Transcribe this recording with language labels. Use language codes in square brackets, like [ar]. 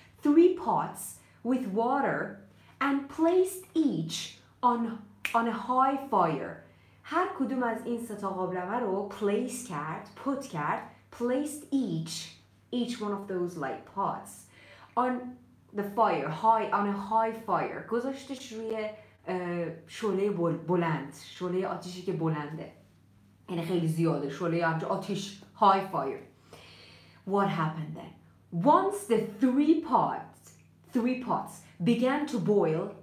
[en] 3 pots with water and placed each on a high fire. [fa] هر کدوم از این 3 قابلمه رو place کرد، put کرد. [en] Placed each one of those light pots on the fire, high on a high fire. [fa] گذاشتش روی شعله بلند، شعله آتشی که بلنده، یعنی خیلی زیاده، شعله آتش، high fire. [en] What happened then? Once the three pots began to boil.